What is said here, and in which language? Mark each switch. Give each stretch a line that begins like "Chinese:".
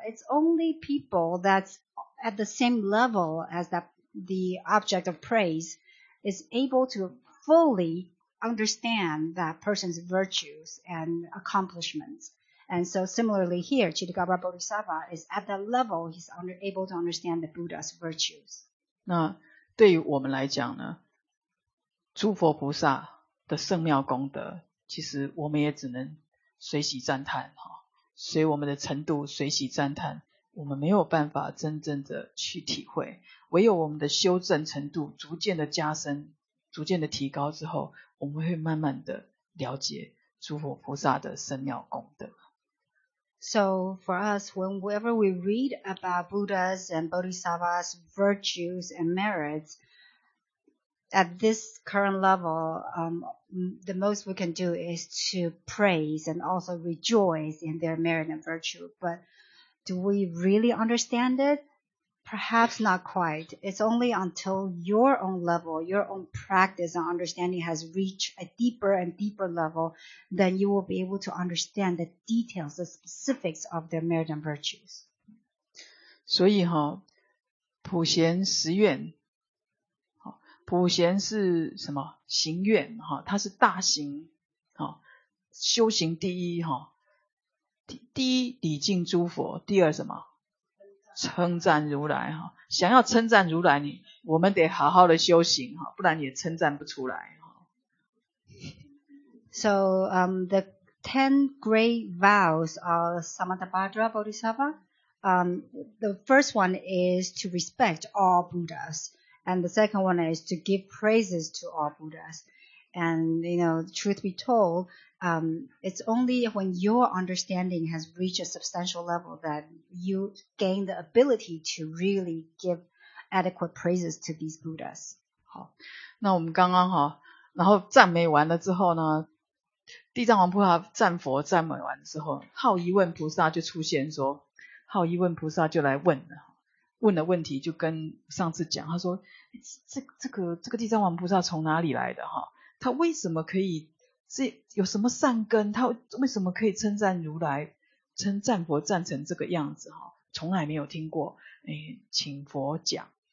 English: It's only people that's at the same level as the object of praise is able to fully understand that person's virtues and accomplishments. And so similarly here, Chittagabra Bodhisattva is at that level, he's able to understand the Buddha's virtues.
Chinese: 那对于我们来讲呢，诸佛菩萨的圣妙功德，其实我们也只能随喜赞叹，随我们的程度随喜赞叹，我们没有办法真正的去体会，唯有我们的修正程度逐渐的加深，逐渐的提高之后，我们会慢慢的了解诸佛菩萨的圣妙功德。
English: So for us, whenever we read about Buddha's and Bodhisattva's virtues and meritsAt this current level, the most we can do is to praise and also rejoice in their merit and virtue. But do we really understand it? Perhaps not quite. It's only until your own level, your own practice and understanding has reached a deeper and deeper level, then you will be able to understand the details, the specifics of their merit and virtues.
Chinese: 所以哈，普贤十愿普贤是什么行愿，它是大行修行，第一礼敬诸佛，第二什么称赞如来，想要称赞如来你我们得好好的修行，不然也称赞不出来。
English: So the 10 great vows of Samantabhadra Bodhisattva, the first one is to respect all Buddhas. And the second one is to give praises to all Buddhas. And, you know, truth be told, it's only when your understanding has reached a substantial level that you gain the ability to really give adequate praises to these Buddhas.
Chinese: 好，那我们刚刚哈，然后赞美完了之后呢，地藏王菩萨赞佛赞美完之后，好疑问菩萨就出现说，好疑问菩萨就来问了。问的问题就跟上次讲，他说这个地藏王菩萨从哪里来的，他为什么可以是有什么善根，他为什么可以称赞如来称赞佛赞成这个样子，从来没有听过，请佛讲。